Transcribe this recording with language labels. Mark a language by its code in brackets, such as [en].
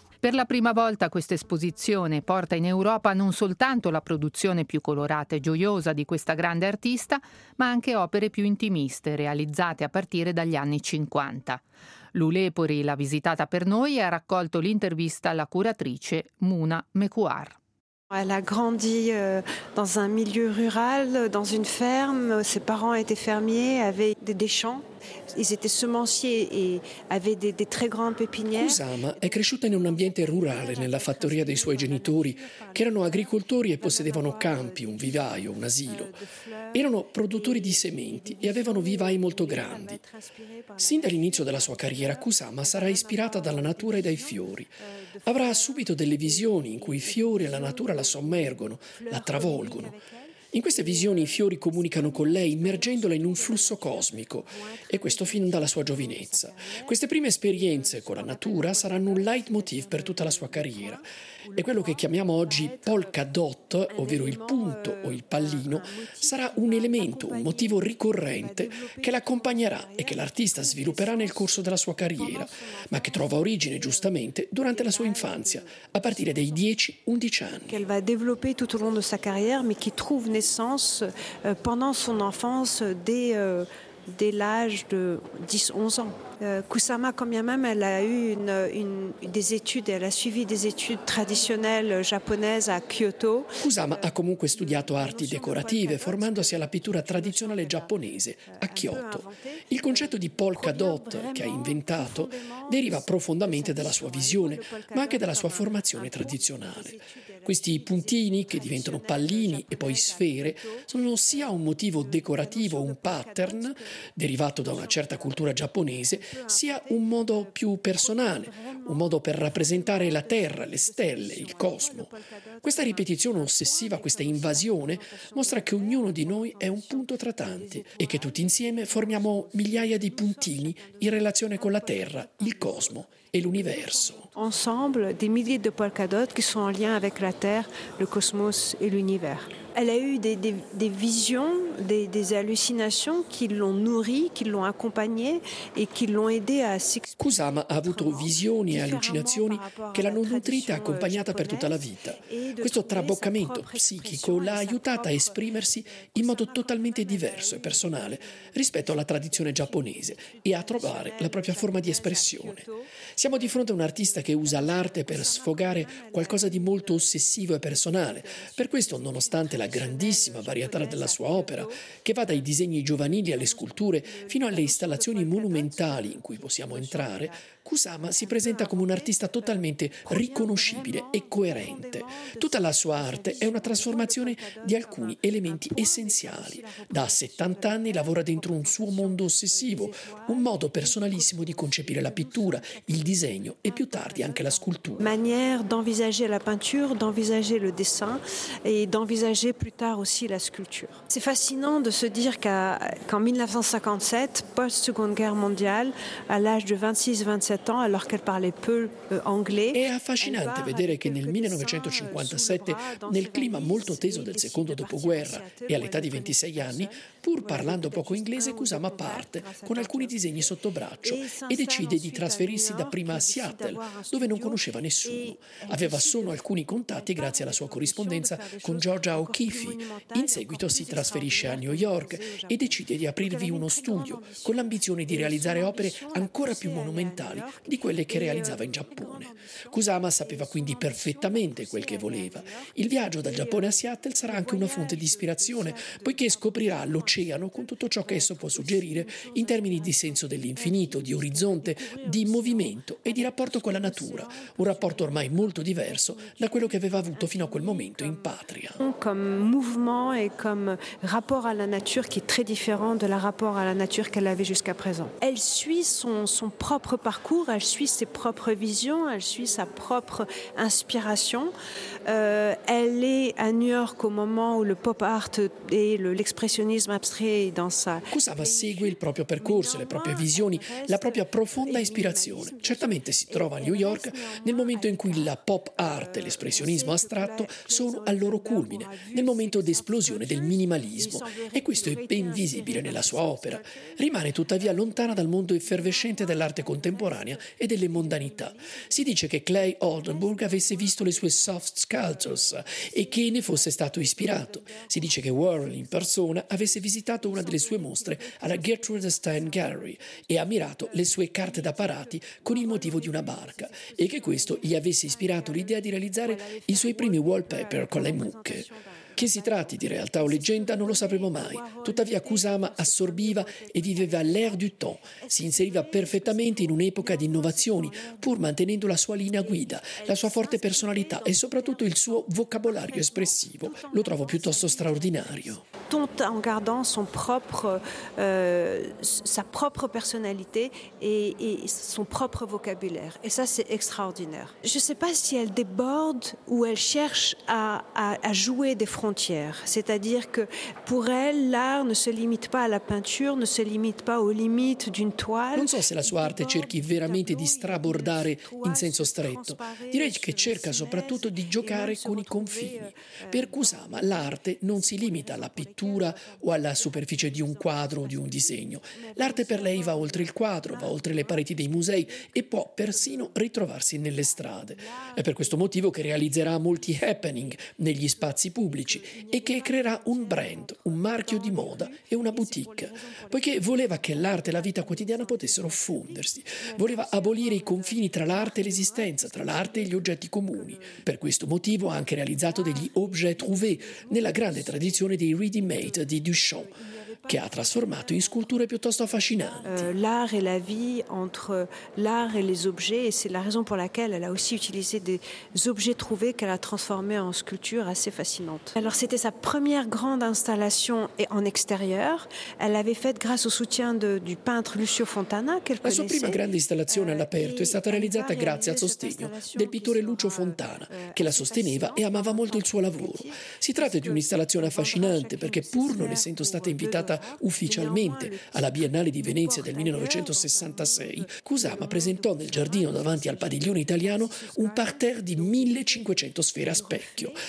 [it] Per la prima volta questa esposizione porta in Europa non soltanto la produzione più colorata e gioiosa di questa grande artista, ma anche opere più intimiste realizzate a partire dagli anni 50. Lu Lepori l'ha visitata per noi e ha raccolto l'intervista alla curatrice Muna Mekuar. [fr] Elle a grandi dans un milieu rural, dans une ferme. Ses parents étaient fermiers, avaient des champs. Ils étaient semenciers et avaient des très grandes pépinières. [it] Kusama è cresciuta in un ambiente rurale, nella fattoria dei suoi genitori, che erano agricoltori e possedevano campi, un vivaio, un asilo. Erano produttori di sementi e avevano vivai molto grandi. Sin dall'inizio della sua carriera, Kusama sarà ispirata dalla natura e dai fiori. Avrà subito delle visioni in cui i fiori e la natura la sommergono, la travolgono. In queste visioni i fiori comunicano con lei, immergendola in un flusso cosmico, e questo fin dalla sua giovinezza. Queste prime esperienze con la natura saranno un leitmotiv per tutta la sua carriera. E quello che chiamiamo oggi polka dot, ovvero il punto o il pallino, sarà un elemento, un motivo ricorrente che l'accompagnerà e che l'artista svilupperà nel corso della sua carriera, ma che trova origine giustamente durante la sua infanzia, a partire dai 10-11 anni. Che va sviluppare tutto il lungo della sua carriera, ma che trova [fr] naissance pendant son enfance dès l'âge de 10-11 ans. Kusama, quand bien même elle a eu des études, elle a suivi des études traditionnelles japonaises à Kyoto. [it] Kusama ha comunque studiato arti decorative, formandosi alla pittura tradizionale giapponese a Kyoto. Il concetto di polka dot che ha inventato deriva profondamente dalla sua visione, ma anche dalla sua formazione tradizionale. Questi puntini, che diventano pallini e poi sfere, sono sia un motivo decorativo, un pattern, derivato da una certa cultura giapponese, sia un modo più personale, un modo per rappresentare la Terra, le stelle, il cosmo. Questa ripetizione ossessiva, questa invasione, mostra che ognuno di noi è un punto tra tanti e che tutti insieme formiamo migliaia di puntini in relazione con la Terra, il cosmo e l'universo. [fr] Ensemble, des milliers de polka dots qui sont en lien avec la Terre, le cosmos et l'univers. Elle a eu des visions, des hallucinations qui l'ont nourrie, qui l'ont accompagnée et qui l'ont aidée à s'exprimer. [it] Kusama ha avuto visioni e allucinazioni che l'hanno nutrita e accompagnata per tutta la vita. Questo traboccamento psichico l'ha aiutata a esprimersi in modo totalmente diverso e personale rispetto alla tradizione giapponese e a trovare la propria forma di espressione. Siamo di fronte a un artista che usa l'arte per sfogare qualcosa di molto ossessivo e personale. Per questo, nonostante la grandissima varietà della sua opera, che va dai disegni giovanili alle sculture fino alle installazioni monumentali in cui possiamo entrare, Kusama si presenta come un artista totalmente riconoscibile e coerente. Tutta la sua arte è una trasformazione di alcuni elementi essenziali. Da 70 anni lavora dentro un suo mondo ossessivo, un modo personalissimo di concepire la pittura, il disegno e più tardi anche la scultura. [fr] Maniera d'envisager la peinture, d'envisager le dessin e d'envisager plus tard aussi la sculpture. C'est fascinant de se dire qu'en 1957, post-seconde guerre mondiale, à l'âge de 26-27, [it] è affascinante vedere che nel 1957, nel clima molto teso del secondo dopoguerra e all'età di 26 anni, pur parlando poco inglese, Kusama parte con alcuni disegni sotto braccio e decide di trasferirsi dapprima a Seattle, dove non conosceva nessuno. Aveva solo alcuni contatti grazie alla sua corrispondenza con Georgia O'Keeffe. In seguito si trasferisce a New York e decide di aprirvi uno studio con l'ambizione di realizzare opere ancora più monumentali di quelle che realizzava in Giappone. Kusama sapeva quindi perfettamente quel che voleva. Il viaggio dal Giappone a Seattle sarà anche una fonte di ispirazione, poiché scoprirà l'oceano con tutto ciò che esso può suggerire in termini di senso dell'infinito, di orizzonte, di movimento e di rapporto con la natura, un rapporto ormai molto diverso da quello che aveva avuto fino a quel momento in patria. Come [fr] mouvement et comme rapport à la nature qui est très différent de la rapport à la nature qu'elle avait jusqu'à présent. Elle suit son propre parcours, elle suit ses propres visions, elle suit sa propre inspiration. Elle est à New York au moment où le pop art et l'expressionnisme abstrait est dans sa... [it] Kusama segue il proprio percorso, le proprie visioni, la propria profonda ispirazione. Certamente si trova a New York nel momento in cui la pop art e l'espressionismo astratto sono al loro culmine, nel momento d'esplosione del minimalismo, e questo è ben visibile nella sua opera. Rimane tuttavia lontana dal mondo effervescente dell'arte contemporanea e delle mondanità. Si dice che Clay Oldenburg avesse visto le sue soft sculptures e che ne fosse stato ispirato. Si dice che Warhol in persona avesse visitato una delle sue mostre alla Gertrude Stein Gallery e ammirato le sue carte da parati con il motivo di una barca, e che questo gli avesse ispirato l'idea di realizzare i suoi primi wallpaper con le mucche. Che si tratti di realtà o leggenda non lo sapremo mai, tuttavia Kusama assorbiva e viveva [fr] l'air du temps, [it] si inseriva perfettamente in un'epoca di innovazioni, pur mantenendo la sua linea guida, la sua forte personalità e soprattutto il suo vocabolario espressivo. Lo trovo piuttosto straordinario. [fr] Tout en gardant son propre, sa propre personnalité et son propre vocabulaire. Et ça, c'est extraordinaire. Je ne sais pas si elle déborde ou elle cherche à jouer des frontières. C'est-à-dire que pour elle, l'art ne se limite pas à la peinture, ne se limite pas aux limites d'une toile. [it] Non so se la sua arte cerchi veramente di strabordare in senso stretto. Direi che cerca soprattutto di giocare con i confini. Per Kusama, l'arte non si limita alla pittura o alla superficie di un quadro o di un disegno. L'arte per lei va oltre il quadro, va oltre le pareti dei musei e può persino ritrovarsi nelle strade. È per questo motivo che realizzerà molti happening negli spazi pubblici e che creerà un brand, un marchio di moda e una boutique, poiché voleva che l'arte e la vita quotidiana potessero fondersi. Voleva abolire i confini tra l'arte e l'esistenza, tra l'arte e gli oggetti comuni. Per questo motivo ha anche realizzato degli objets trouvés, nella grande tradizione dei ready made di Duchamp, che ha trasformato in sculture piuttosto affascinanti. [fr] L'art e la vie entre l'art et les objets, et c'est la raison pour laquelle elle a aussi utilisé des objets trouvés qu'elle a transformés en sculptures assez fascinantes. Alors c'était sa première grande installation et en extérieur. Elle l'avait faite grâce au soutien du peintre Lucio Fontana. [it] La sua prima grande installazione all'aperto è stata realizzata grazie al sostegno del pittore Lucio Fontana, che la sosteneva e amava molto il suo lavoro. Si tratta di un'installazione affascinante perché pur non essendo stata invitata ufficialmente alla Biennale di Venezia del 1966, Kusama presentò nel giardino davanti al padiglione italiano un parterre di 1500 sfere a specchio.